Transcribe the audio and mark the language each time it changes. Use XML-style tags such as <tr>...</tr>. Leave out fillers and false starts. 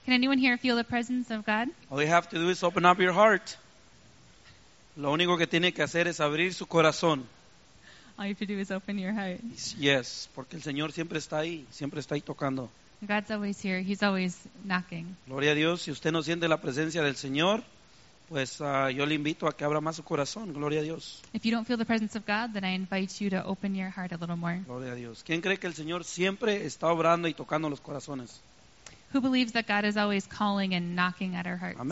<en>Can anyone here feel the presence of God? All you have to do is open up your heart.</en> <es>Lo único que tiene que hacer es abrir su corazón.</es> <en>All you have to do is open your heart. Yes,</en> <es>porque el Señor siempre está ahí tocando.</es> <en>God's always here, he's always knocking.</en> <es>Gloria a Dios, si usted no siente la presencia del Señor, pues yo le invito a que abra más su corazón. Gloria a Dios.</es> <en>If you don't feel the presence of God, then I invite you to open your heart a little more.</en> <es>Gloria a Dios. ¿Quién cree que el Señor siempre está obrando y tocando los corazones?</es> <en>Who believes that God is always calling and knocking at our hearts?</en>